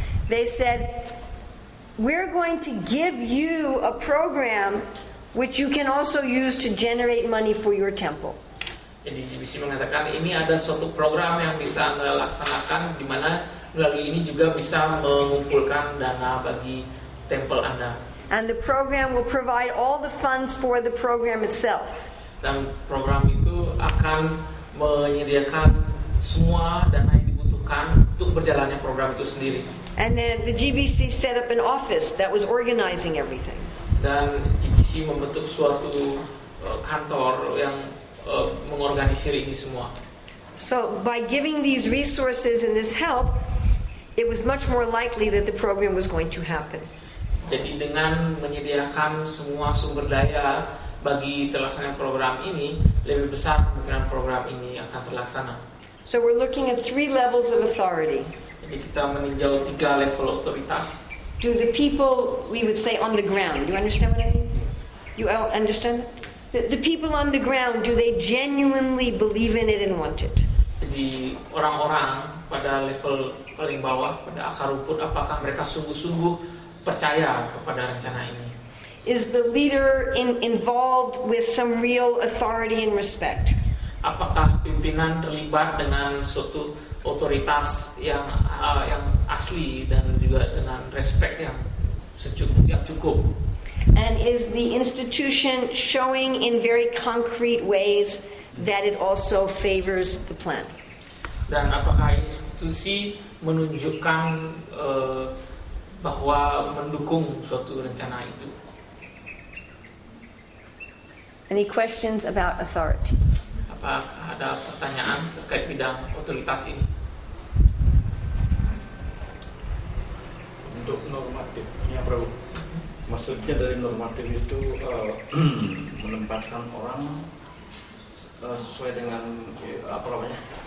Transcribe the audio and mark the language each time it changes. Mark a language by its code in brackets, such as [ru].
[en] They said we're going to give you a program which you can also use to generate money for your temple. [id] Jadi DBC mengatakan ini ada suatu program yang bisa Anda laksanakan di mana lalu ini juga bisa mengumpulkan dana bagi tempel Anda. [en] And the program will provide all the funds for the program itself. [id] Dan program itu akan menyediakan semua dana yang dibutuhkan untuk berjalannya program itu sendiri. [en] And then the GBC set up an office that was organizing everything. [id] Dan GBC membentuk suatu kantor yang mengorganisir ini semua. [en] So by giving these resources and this help, it was much more likely that the program was going to happen. [id] Jadi dengan menyediakan semua sumber daya bagi terlaksananya program ini, lebih besar kemungkinan program ini akan terlaksana. [en] So we're looking at three levels of authority. [id] Jadi kita meninjau tiga level otoritas. [en] Do the people, we would say, on the ground. You understand what I mean? You understand? The people on the ground, do they genuinely believe in it and want it? [id] Jadi orang-orang pada level paling bawah, pada akar rumput, apakah mereka sungguh-sungguh percaya kepada rencana ini? [en] Is the leader involved with some real authority and respect? [id] Apakah pimpinan terlibat dengan suatu otoritas yang asli dan juga dengan respect yang cukup? [en] And is the institution showing in very concrete ways that it also favors the plan? [id] Dan apakah institusi menunjukkan bahwa mendukung suatu rencana itu? [en] Any questions about authority? [id] Apakah ada pertanyaan terkait bidang otoritas ini? Untuk normatifnya, Bro. Maksudnya dari normatif itu menempatkan orang sesuai dengan apa namanya?